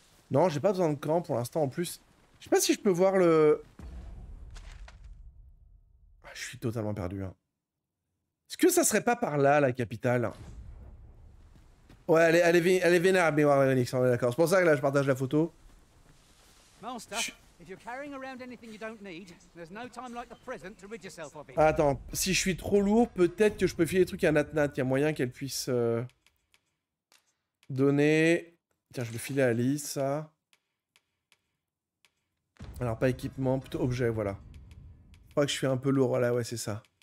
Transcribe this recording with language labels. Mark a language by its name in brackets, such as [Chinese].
[French] Non, j'ai pas besoin de camp pour l'instant, en plus. Je sais pas si je peux voir le... Ah, je suis totalement perdu, hein. Est-ce que ça serait pas par là, la capitale? Ouais, elle est vénère, mais ouais, Onyx, on est d'accord. C'est pour ça que là, je partage la photo. [English] Monster, if you're carrying around anything you don't need, there's no time like the present to rid yourself of it. [French] Attends, si je suis trop lourd, peut-être que je peux filer des trucs à Natnat. Il y a moyen qu'elle puisse donner. Tiens, je vais filer à Alice, ça. Alors, pas équipement, plutôt objet, voilà. Je crois que je suis un peu lourd, là, ouais, c'est ça.